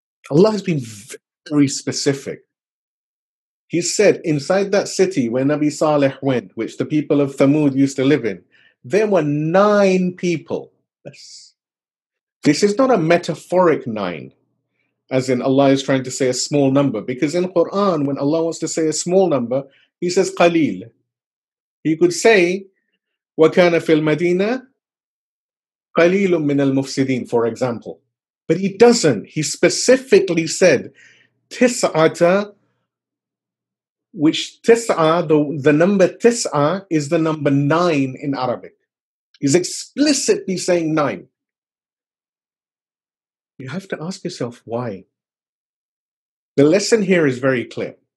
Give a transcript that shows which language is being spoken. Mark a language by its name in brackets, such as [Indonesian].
[English] Allah has been very specific. He said inside that city where Nabi Saleh went, which the people of Thamud used to live in, there were nine people. This is not a metaphoric nine, as in Allah is trying to say a small number. Because in Quran, when Allah wants to say a small number, he says qalil. He could say, [Arabic] وَكَانَ فِي الْمَدِينَةِ قَلِيلٌ مِّنَ الْمُفْسِدِينَ, [English] for example. But he doesn't. He specifically said, تِسْعَةَ, which tis'a, the number tis'a is the number nine in Arabic. He's explicitly saying nine. You have to ask yourself why. The lesson here is very clear.